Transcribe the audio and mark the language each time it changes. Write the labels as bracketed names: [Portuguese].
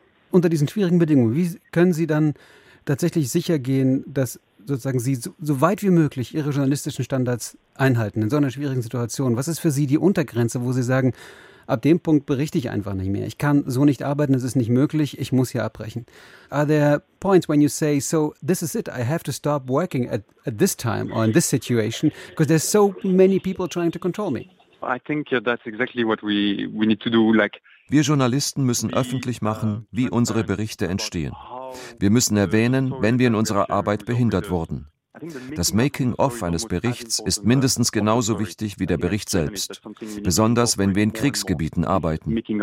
[German] Unter diesen schwierigen Bedingungen, wie können Sie dann tatsächlich sicher gehen, dass sozusagen Sie so weit wie möglich Ihre journalistischen Standards einhalten in so einer schwierigen Situation? Was ist für Sie die Untergrenze, wo Sie sagen, ab dem Punkt berichte ich einfach nicht mehr? Ich kann so nicht arbeiten, es ist nicht möglich, ich muss hier abbrechen. [English] Are there points when you say, so this is it, I have to stop working at this time or in this situation, because there's so many people trying to control me? I think that's exactly what we need to do. [German] Wir Journalisten müssen öffentlich machen, wie unsere Berichte entstehen. Wir müssen erwähnen, wenn wir in unserer Arbeit behindert wurden. Das Making-of eines Berichts ist mindestens genauso wichtig wie der Bericht selbst, besonders wenn wir in Kriegsgebieten arbeiten.